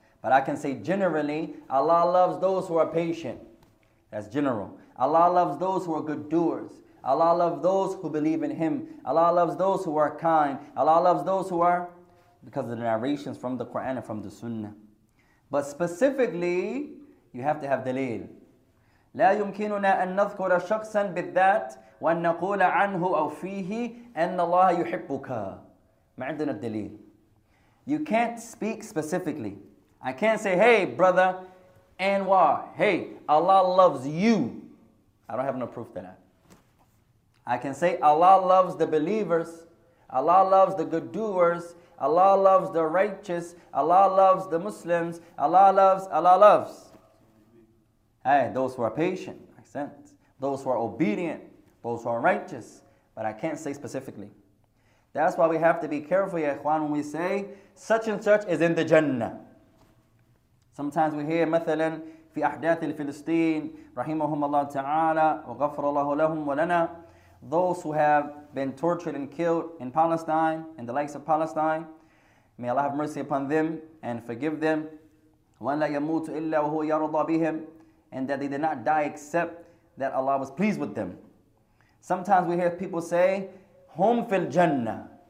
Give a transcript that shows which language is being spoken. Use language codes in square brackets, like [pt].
[en] But I can say generally, Allah loves those who are patient. That's general. Allah loves those who are good doers. Allah loves those who believe in Him. Allah loves those who are kind. Allah loves those who are, because of the narrations from the Quran and from the Sunnah. But specifically, you have to have دليل. [ar] لا يمكننا أن نذكر شخصا بالذات وأن نقول عنه أو فيه أن الله يحبك. ما عندنا الدليل. [en] You can't speak specifically. I can't say, hey, brother Anwar, hey, Allah loves you. I don't have no proof to that. I can say, Allah loves the believers. Allah loves the good doers. Allah loves the righteous. Allah loves the Muslims. Allah loves. Hey, those who are patient, makes sense. Those who are obedient, those who are righteous. But I can't say specifically. That's why we have to be careful, ya ikhwan, when we say, such and such is in the Jannah. Sometimes we hear, [ar] مثلاً في أحداث الفلسطين رحمهم الله تعالى وغفر الله لهم ولنا. [en] Those who have been tortured and killed in Palestine, in the likes of Palestine, may Allah have mercy upon them and forgive them. [ar] وَنْ لَا يَمُوتُ إِلَّا وَهُوَ يَرَضَى بِهِمْ. [en] And that they did not die except that Allah was pleased with them. Sometimes we hear people say, [ar] هُمْ فِي الْجَنَّةِ.